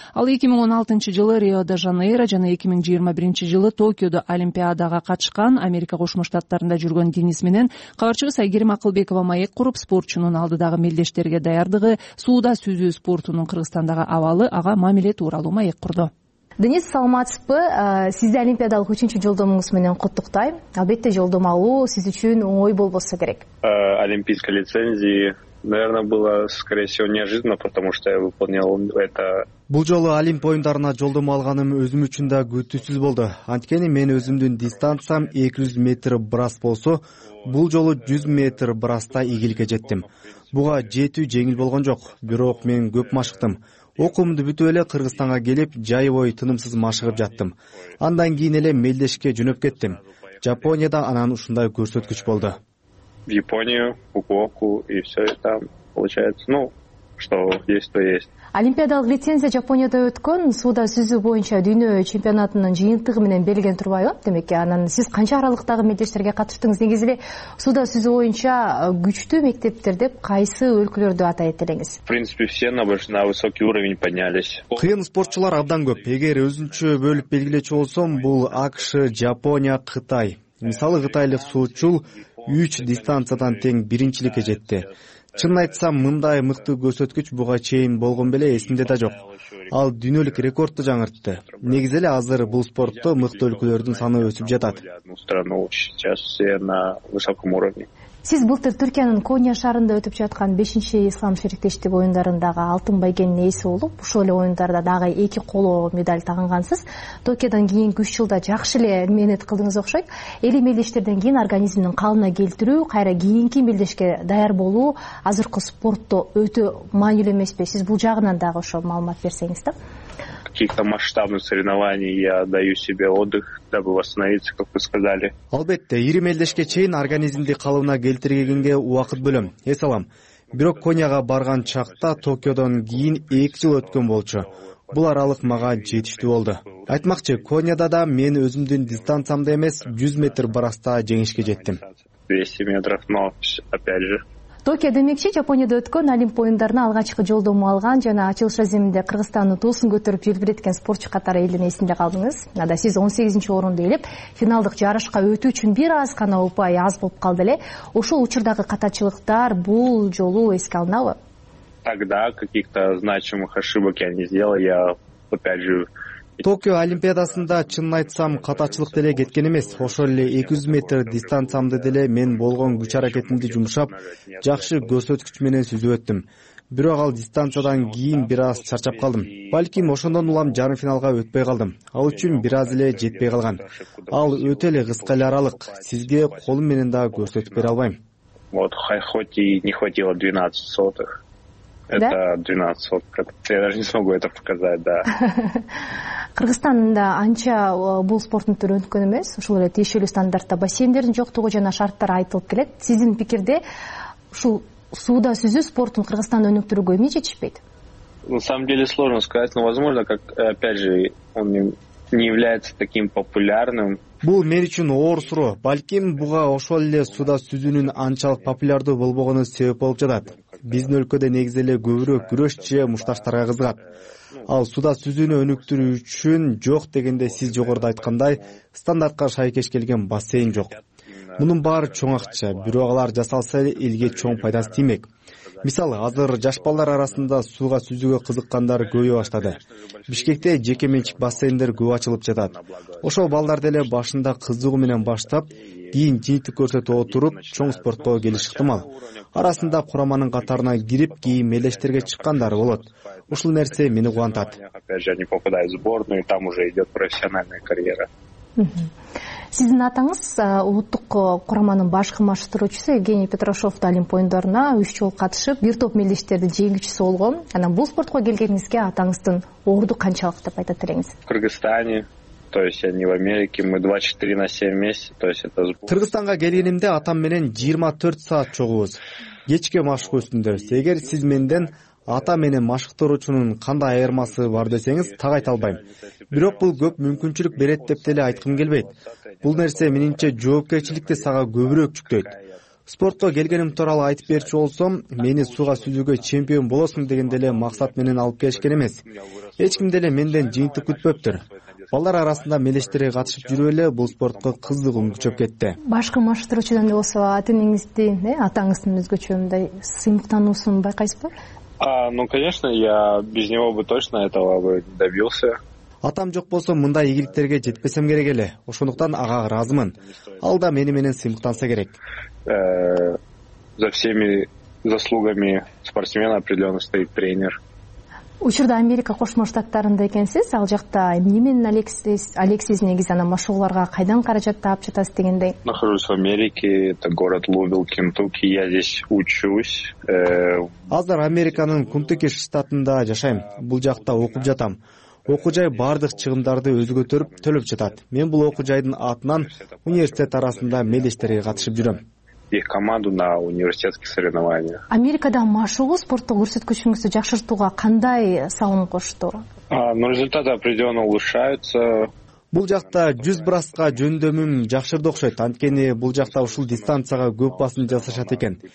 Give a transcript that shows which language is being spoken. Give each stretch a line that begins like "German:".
Kyrgyz: Ал 2016 жылы Рио-де-Жанейро жана 2021 жылы Токиодо Олимпиадага катышкан, Америка Кошмо Штаттарында жүргөн Денис менен кабарчыбыз Айгерим Акылбекова маек куруп, спортчунун алдыдагы мелдештерге даярдыгы, сууда сүзүү спортунун Кыргызстандагы абалы, ага мамиле тууралуу маек курду. Денис, саламатсызбы? Сизди олимпиадалык 3-чү жолдомуңуз менен куттуктайм. Албетте, жолдом алуу сиз үчүн оңой болбосо керек.
Russian: Олимпийская лицензия, наверное, было, скорее всего, неожиданно, потому что я выполнил это.
Kyrgyz: Бул жолу олимп оюндарына жолдом алганым өзүм үчүн да күтүүсүз болду. Анткени мен өзүмдүн дистанциям 200 метр брас болсо, бул жолу 100 метр браста ийгилике жеттим. Буга жетүү жеңил болгон жок, бирок мен көп машыктым. Окуумду бүтүп эле Кыргызстанга келип, жай бою тынымсыз машыгып жаттым. Андан кийин эле мелдешке жөнөп кеттим. Жапонияда анан ушундай көрсөткүч болду.
Russian: В Японию, Фукуоку и все это там получается. Ну, что есть, то есть.
Kyrgyz: Олимпиадалык лицензия Жапонияда өткөн, сууда сүзүү боюнча дүйнө чемпионатынын жыйынтыгы менен белгилен турбайбы? Демек, анан сиз канча аралыктагы мелдештерге катыштыңыз? Негизи эле сууда сүзүү боюнча күчтүү мектептер деп кайсы өлкөлөрдү атайт элеңиз?
Russian: В принципе, все на высокий уровень поднялись.
Kyrgyz: Кыйын спортчулар абдан көп. Эгер өзүнчө бөлүп белгилечү болсом, бул АКШ, Жапония, Кытай. Мисалы, кытайлык суучул 3 дистанциядан тең биринчиликке жетти. Чынын айтсам, мындай мыкты көрсөткүч буга чейин болгон беле эсимде да жок. Ал дүйнөлүк рекордду жаңыртты. Негизи эле азыр бул спортто мыкты өлкөлөрдүн саны өсүп жатат. Сиз былтыр Түркиянын Конья шаарында өтүп жаткан 5-ші ислам шектештиги оюндарындагы алтын байгенин ээси болуп, ушул эле оюндарда дагы 2 коло медаль тагынгансыз. Токиодон кийин 3 жылда жакшы эле мээнет кылдыңыз окшойт. Эли мелдештерден кийин организмдин калыбына келтирүү, кайра кийинки мелдешке даяр болуу азыркы спортто өтө маанилүү эмеспи? Сиз бул жагынан дагы ошол маалымат берсеңиз да.
Russian: Каких-то масштабных соревнований я даю себе отдых, дабы восстановиться, как вы сказали.
Kyrgyz: Албетте, 20 мелдешке чейин организмди калыбына келтиргенге убакыт бөлөм. Эс алам. Бирок Конияга барган чакта Токиодон кийин 2 жыл өткөн болчу. Бул аралык мага жетиштүү болду. Айтмакчы, Конияда да мен өзүмдүн дистанциямда эмес, 100 метр браста жеңишке жеттим.
Russian: 200 метров, но опять же.
Kyrgyz: Токио демекчи, Жапонияда өткөн олимп оюндарына алгачкы жолдому алган жана ачылыш мезгилинде Кыргызстандын туусун көтөрүп желбиреткен спортчу катары элдин эсинде калдыңыз. Анда сиз 18-ci орунду ээлеп, финалдык жарышка өтүү үчүн бир аз гана упай аз болуп калды эле. Ошол учурдагы катачылыктар бул жолу эске алынабы?
Russian: Тогда каких-то значимых ошибок я не сделал, я опять же.
Kyrgyz: Токио олимпиадасында чынын айтсам катачылык деле кеткен эмес. Ошол эле 200 метр дистанциямды деле мен болгон күч аракетимди жумшап, жакшы көрсөткүч менен сүзүп өттүм. Бирок ал дистанциядан кийин бир аз чарчап калдым. Балким ошондон улам жарым финалга өтпөй калдым. Ал үчүн бир аз эле жетпей калган. Ал өтө эле кыска эле аралык. Сизге колум менен да көрсөтүп бере албайм.
Russian: Вот хоть и не хватило 12 сотых. Это 12 сотых. Я даже не смогу это показать, да.
Kyrgyz: Кыргызстанда анча бул спорттун түрү өнүккөн эмес. Ушул эле тиешелүү стандартта бассейндердин жоктугу жана шарттар айтылып келет. Сиздин пикирде ушул сууда сүзүү спортун Кыргызстанда өнүктүрүүгө эмне жетишпейт?
Russian: На самом деле сложно сказать, но возможно, как опять же, он не является таким популярным.
Kyrgyz: Бул мен үчүн оор суроо. Балким буга ошол эле сууда сүзүүнүн анчалык популярдуу болбогону себеп болуп жатат. Биздин өлкөдө негизи эле көбүрөөк күрөш же мушташтарга кызыгат. Ал сууда сүзүүнү өнүктүрүү үчүн жок дегенде сиз жогоруда айткандай стандартка шайкеш келген бассейн жок. Мунун баары чоң акча, бирок алар жасалса элге чоң пайдасы тийбек. Мисалы, азыр жаш балдар арасында сууга сүзүүгө кызыккандар көбөйө баштады. Бишкекте жеке менчик бассейндер көп ачылып жатат. Ошол балдар деле башында кызыгы менен баштап, кийин жыйынтык көрсөтүп отуруп, чоң спортко келиш ыктымал. Арасында курамынын катарына кирип, кийин мелдештерге чыккандар болот. Ушул нерсе мени кубантат.
Russian: Опять же, они попадают в сборную, и там уже идет профессиональная карьера.
Kyrgyz: Сиздин атаңыз улуттук курамынын баш кырмаштыруучусу Евгений Петрашов да олимп оюндарына 3 жолу катышып, бир топ мелдештердин жеңүүчүсү болгон. Анан бул спортко келгениңизге атаңыздын орду канчалык деп айтат элеңиз?
Russian: В Кыргызстане, то есть я не в Америке, мы 24/7 вместе, то есть это сбор.
Kyrgyz: Кыргызстанга келгенимде атам менен 24 саат чогуубуз. Кечке машык үстүндөбүз. Эгер сиз менден ата менен машыктыруучунун кандай айырмасы бар десеңиз, так айта албайм. Бирок бул көп мүмкүнчүлүк берет деп деле айткым келбейт. Бул нерсе менинче жоопкерчиликти сага көбүрөөк жүктөйт. Спортко келгеним тууралуу айтып берчү болсом, мени сууга сүзүүгө чемпион болосуң деген деле максат менен алып келишкен эмес. Эч ким деле менден жыйынтык күтпөптүр. Балдар арасында мелештерге катышып жүрүп эле бул спортко кыздыгым күчөп кетти. Башкы маштыруучудан да болсо ата энеңизди, атаңыздын өзгөчө мындай сыймыктануусун байкайсызбы?
Russian: Конечно, я без него бы точно этого бы добился.
Kyrgyz: Атам жок болсо мындай ийгиликтерге жетпесем керек эле. Ошондуктан ага ыраазымын. Ал да мени менен сыймыктанса керек.
Russian: За всеми заслугами спортсмена определенно стоит тренер.
Kyrgyz: Учурда Америка Кошмо Штаттарында экенсиз, ал жакта эмне менен алексиз негизи анан машыгууларга кайдан каражат таап жатасыз дегендей?
Russian: Нахожусь в Америке, это город Лувилл, Кентукки, я здесь учусь.
Kyrgyz: Азыр Американын Кентукки штатында жашайм, бул жакта окуп жатам. Окуу жай бардык чыгымдарды өзү көтөрүп төлөп жатат. Мен бул окуу жайдын атынан университет арасында мелештерге катышып жүрөм.
Russian: Их команду на университетских соревнованиях.
Kyrgyz: Америкада машыгуу спортту көрсөткүчүңүздү жакшыртууга кандай салым кошту?
Russian: Результаты определенно улучшаются.
Kyrgyz: Бул жакта жүз браска жөндөмүм жакшырды окшойт, анткени бул жакта ушул дистанцияга көп басым жасашат экен.